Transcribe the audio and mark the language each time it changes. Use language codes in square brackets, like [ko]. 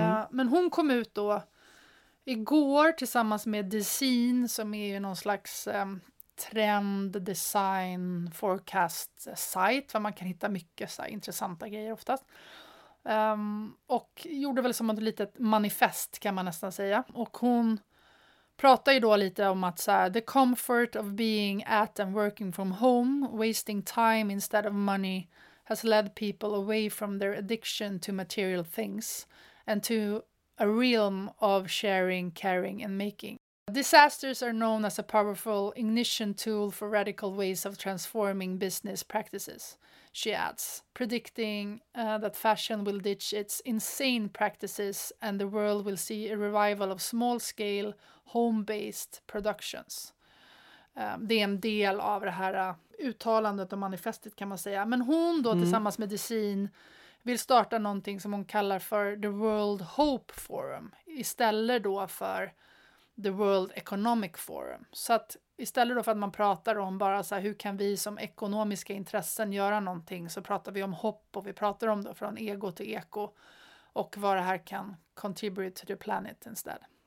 [sv] Men hon kom ut då igår tillsammans med Design, som är ju någon slags trend design forecast site där man kan hitta mycket så här intressanta grejer oftast. Och gjorde väl som ett litet manifest kan man nästan säga. Och hon pratar ju då lite om att så här, [en] the comfort of being at and working from home, wasting time instead of money, has led people away from their addiction to material things and to a realm of sharing, caring and making. Disasters are known as a powerful ignition tool for radical ways of transforming business practices, she adds, predicting that fashion will ditch its insane practices and the world will see a revival of small-scale, home-based productions. [sv] Det är en del av det här uttalandet och manifestet kan man säga. Men hon då tillsammans med Design vill starta någonting som hon kallar för The World Hope Forum istället då för The World Economic Forum. Så att istället då för att man pratar om bara så här, hur kan vi som ekonomiska intressen göra någonting, så pratar vi om hopp och vi pratar om då från ego till eko och vad det här kan [en] contribute to the planet instead.